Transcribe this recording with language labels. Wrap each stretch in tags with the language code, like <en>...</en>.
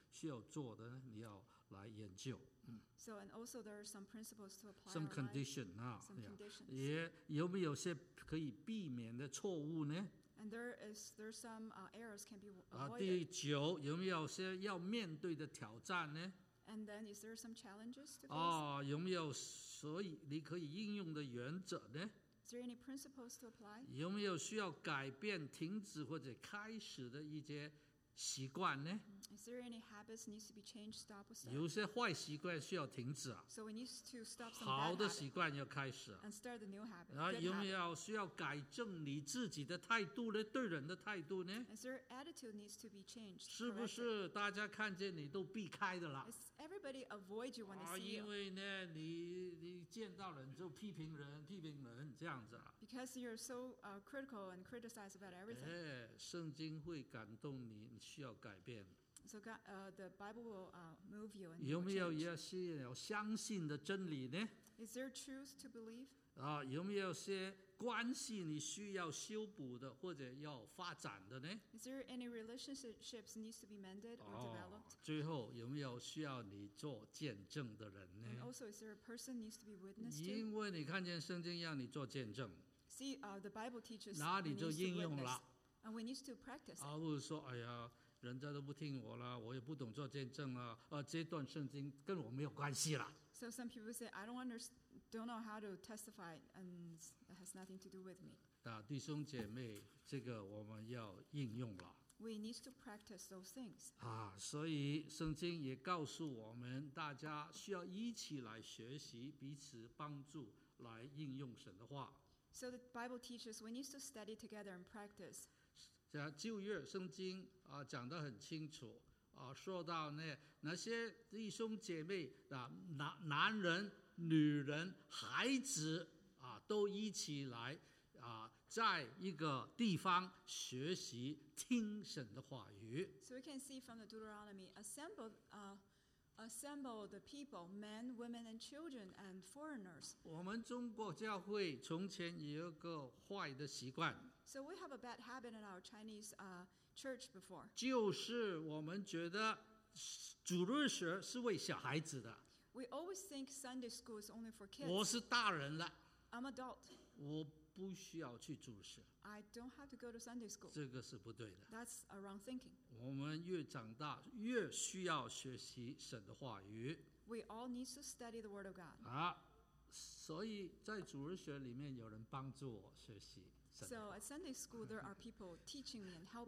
<zh>需要做的呢？你要来研究。</zh> <en>So and also there are some principles to apply. Some condition, life, some conditions.</en> <zh>有没有些可以避免的错误呢？</zh> <en>And there's some errors can be avoided.</en> <zh>第九，有没有些要面对的挑战呢？</zh> <en>And then, is there some challenges to face?</en> <zh>有没有所以你可以应用的原则呢？</zh> <en>Is there any principles to apply?</en> <zh>有没有需要改变、停止或者开始的一些习惯呢？</zh> <en>Is there any habits needs to be changed? Stop or start?</en> <zh>有些坏习惯需要停止啊。</zh> <en>So we need to stop some bad habits.</en> <zh>好的习惯要开始啊。</zh> <en>And start the new habit.</en> <zh>然后有没有需要改正你自己的态度呢？对人的态度呢？</zh> <en>Is there attitude needs to be changed?</en> <zh>是不是大家看见你都避开的啦？</zh> <en>Is everybody avoid you when they see you?</en> <zh>因为呢，你见到人就批评人，批评人这样子啊。</zh> <en>Because you're so critical and criticize about everything.</en> <zh>哎，圣经会感动你。需要改变。</zh> <en>So God, the Bible will move you.</en> <zh>有没有一些要相信的真理呢？</zh> <en>Is there truth to believe?</en> <zh>啊，有没有些关系你需要修补的或者要发展的呢？</zh> <en>Is there any relationships needs to be mended or developed?</en> <zh>最后有没有需要你做见证的人呢？</zh> <en>And also, is there a person needs to be witnessed to?</en> <zh>因为你看见圣经要你做见证。</zh> <en>See, the Bible teaches.</en> <zh>哪里就应用了。</zh> <en>And we need to practice.</en> <zh>啊，或者说，哎呀，人家都不听我了，我也不懂做见证了。这段圣经跟我没有关系了。</zh> <en>So some people say, I don't know how to testify, and it has nothing to do with me.</en> <zh>啊，弟兄姐妹，这个我们要应用了。</zh> <en>We need to practice those things.</en> <zh>啊，所以圣经也告诉我们，大家需要一起来学习，彼此帮助，来应用神的话。</zh> <en>So the Bible teaches we need to study together and practice.</en> <zh>旧约圣经啊讲得很清楚啊，说到呢那些弟兄姐妹啊，男人、女人、孩子啊，都一起来啊，在一个地方学习听神的话语。</zh> <en>So we can see from the Deuteronomy, assemble the people, men, women, and children, and foreigners.</en> <zh>我们中国教会从前有一个坏的习惯。</zh> <en>So we have a bad habit in our Chinese church before.</en> <zh>就是我们觉得主日学是为小孩子的。</zh> <en>We always think Sunday school is only for kids.</en> <zh>我是大人了。</zh> <en>I'm adult.</en> <zh>我不需要去主日学。</zh> <en>I don't have to go to Sunday school.</en> <zh>这个是不对的。</zh> <en>That's a wrong thinking.</en> <zh>我们越长大，越需要学习神的话语。</zh> <en>We all need to study the word of God.</en> <zh>啊，所以在主日学里面有人帮助我学习。</zh> <en>So at Sunday school, there are people teaching me and helping me</en>